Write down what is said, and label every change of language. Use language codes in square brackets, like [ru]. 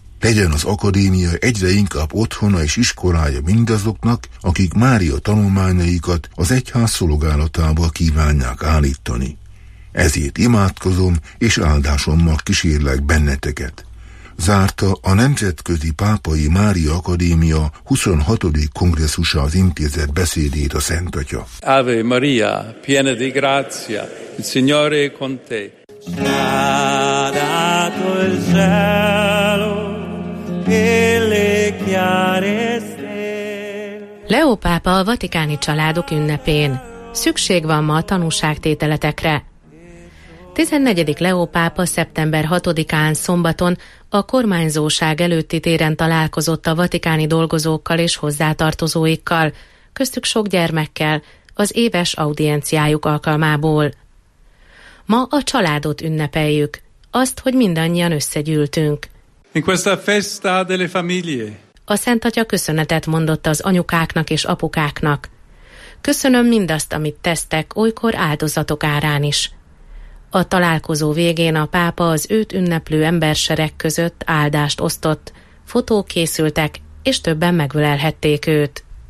[hu] Legyen az akadémia egyre inkább otthona és iskolája mindazoknak, akik Mária tanulmányaikat az egyház szolgálatába kívánják állítani. Ezért imádkozom és áldásommal kísérlek benneteket. Zárta a Nemzetközi Pápai Mária Akadémia 26. kongresszusa az intézet beszédét a Szentatya. [it] Ave Maria, piena di grazia, il Signore è con te. Nadato il cielo. [hu] Leó pápa a vatikáni családok ünnepén. Szükség van ma a tanúságtételetekre. 14. Leó pápa szeptember 6-án szombaton a kormányzóság előtti téren találkozott a vatikáni dolgozókkal és hozzátartozóikkal, köztük sok gyermekkel, az éves audienciájuk alkalmából. Ma a családot ünnepeljük, azt, hogy mindannyian összegyűltünk. [it] In questa festa delle famiglie. [hu] A Szentatya köszönetet mondott az anyukáknak és apukáknak. Köszönöm mindazt, amit tesztek, olykor áldozatok árán is. A találkozó végén a pápa az őt ünneplő embersereg között áldást osztott, fotók készültek, és többen megölelhették őt.